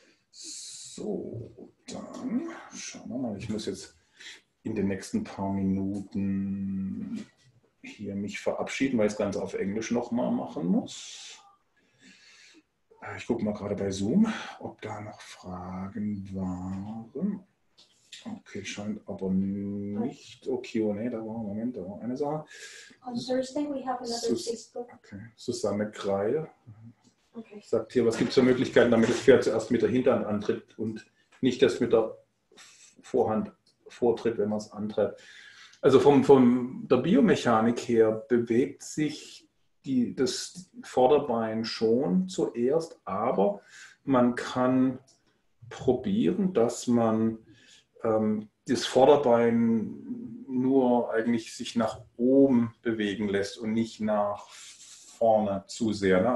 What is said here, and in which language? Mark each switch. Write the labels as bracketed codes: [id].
[de] So, dann schauen wir mal, ich muss jetzt in den nächsten paar Minuten hier mich verabschieden, weil ich das Ganze auf Englisch nochmal machen muss. Ich gucke mal gerade bei Zoom, ob da noch Fragen waren. Okay, scheint aber nicht. Okay, oh nee, da war ein Moment, da war eine Sache. [en] On Thursday we have another Facebook. [de] Okay, Susanne Kreil. Okay. Sagt hier, was gibt es für Möglichkeiten, damit das Pferd zuerst mit der Hinterhand antritt und nicht erst mit der Vorhand vortritt, wenn man es antreibt. Also von der Biomechanik her bewegt sich das Vorderbein schon zuerst, aber man kann probieren, dass man das Vorderbein nur eigentlich sich nach oben bewegen lässt und nicht nach vorne zu sehr. Ne?